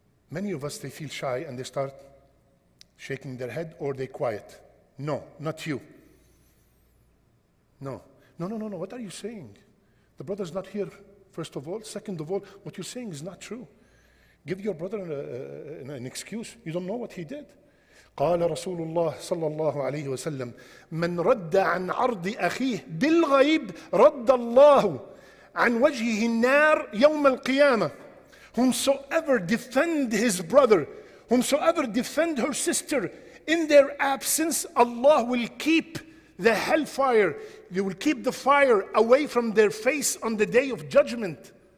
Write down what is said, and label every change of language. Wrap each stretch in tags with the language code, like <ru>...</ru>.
<en>Many of us, they feel shy and they start shaking their head or they quiet. No, not you. No. What are you saying? The brother's not here, first of all. Second of all, what you're saying is not true. Give your brother an excuse. You don't know what he did.</en> <ar>قال رسول الله صلى الله عليه وسلم من رد عن عرض أخيه بالغيب رد الله عن وجهه النار يوم القيامة.</ar> <en>Whomsoever defend his brother, whomsoever defend her sister in their absence, Allah will keep the hellfire, they will keep the fire away from their face on the day of judgment.</en>